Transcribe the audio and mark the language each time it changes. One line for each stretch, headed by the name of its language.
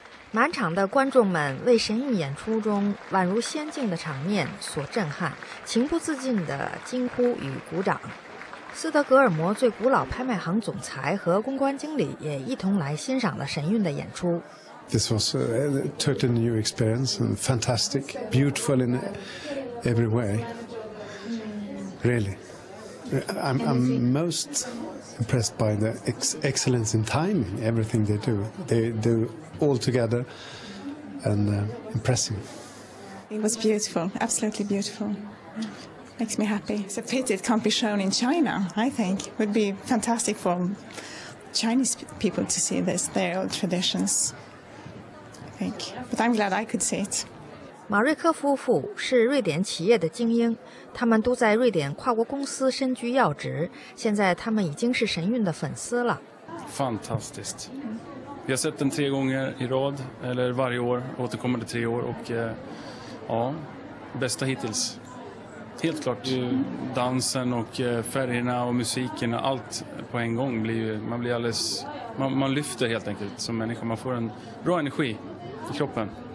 Chinese: 满场的观众们为神韵演出中宛如仙境的场面所震撼，情不自禁地惊呼与鼓掌。斯德哥尔摩最古老拍卖行总裁和公关经理也一同来欣赏了神韵的演出。
English: This was a totally new experience and fantastic, beautiful in every way. Really, I'm most impressed by the excellence in timing. Everything they do, they do all together and impressive. It was beautiful, absolutely beautiful. makes me happy. It's a pity it can't be shown in China, I think. It would be fantastic for Chinese people to see this, their old traditions, I think. But I'm glad I could see it.
Chinese: 马瑞科夫妇是瑞典企业的精英，他们都在瑞典跨国公司身居要职，现在他们已经是神韵的粉丝了。
Swedish: Fantastiskt. Vi har sett den 3 gånger i rad, eller varje år, återkommer det 3 år och ja, bästa hittills. Helt klart, dansen och färgerna och musiken, allt på en gång blir ju, man blir alldeles, man lyfter helt enkelt som människa, man får en bra energi i kroppen.